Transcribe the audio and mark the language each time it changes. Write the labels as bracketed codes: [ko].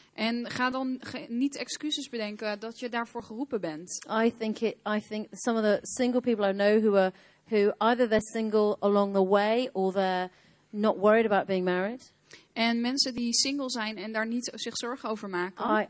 [nl] En ga dan niet excuses bedenken dat je daarvoor geroepen bent. [en] I think some of the single people I know who either they're single along the way or they're not worried about being married. [nl] En mensen die single zijn en daar niet zich zorgen over maken.